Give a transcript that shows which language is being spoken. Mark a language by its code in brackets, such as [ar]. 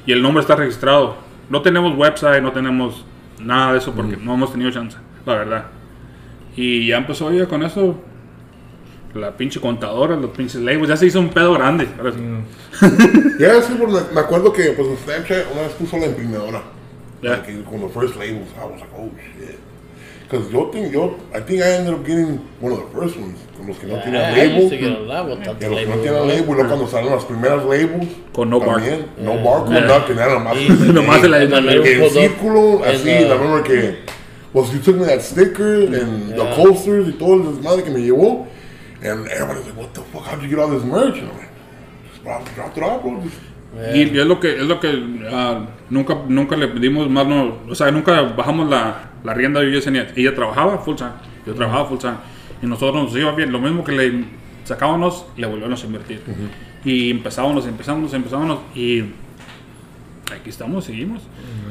[es] Y el nombre está registrado. No tenemos website, no tenemos nada de eso porque no hemos tenido chance, la verdad. Y ya empezó ella con eso. La pinche contadora, los pinches labels, ya se hizo un pedo grande. Ya, sí, porque me acuerdo que pues Snapchat una vez puso la imprimidora. [en] Yeah. Like, [es] con los [en] first labels, I was like, oh shit. Because I think I ended up getting one of the first ones. [es] Con los que no tienen labels. Que los que no tienen labels, luego cuando salieron las primeras labels. Con no barcode. No barcode, nada, que nada más. Nomás de la imprimidora. El círculo, así, la memoria que. Pues [en] you took me that sticker and the coasters [es] y todo el desmadre que me llevó. [en] And everybody's like, what the fuck, how did you get all this merch? And I'm like, just drop it off, bro. [es] Y es lo que nunca le pedimos más, no, o sea, nunca bajamos la rienda de Yessenia. Ella trabajaba full time, yo trabajaba full time. Y nosotros nos iba bien, lo mismo que le sacábamos, le volvíamos a invertir. Uh-huh. Y empezábamos y aquí estamos, seguimos. Uh-huh.